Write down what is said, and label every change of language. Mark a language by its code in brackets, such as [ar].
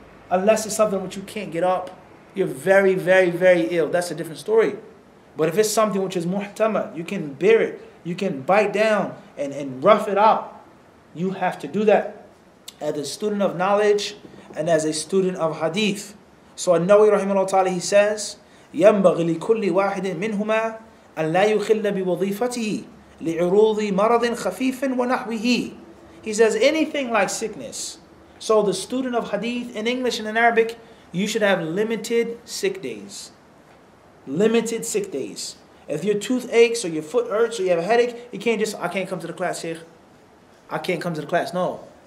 [en] Unless it's something which you can't get up, you're very, very, very ill. That's a different story. But if it's something which is muhtama, you can bear it. You can bite down and rough it out. You have to do that as a student of knowledge and as a student of Hadith. So An-Nawawi rahimahullah ta'ala, he says, [ar] يَنْبَغِ لِكُلِّ وَاحِدٍ مِنْهُمَا أَنْ لَا يُخِلَّ بِوَظِيفَتِهِ لِعُرُوضِ مَرَضٍ خَفِيفٍ وَنَحْوِهِ. [en] He says, anything like sickness. So the student of Hadith in English and in Arabic, you should have limited sick days. Limited sick days. If your tooth aches or your foot hurts or you have a headache, you can't just, I can't come to the class here. I can't come to the class. No.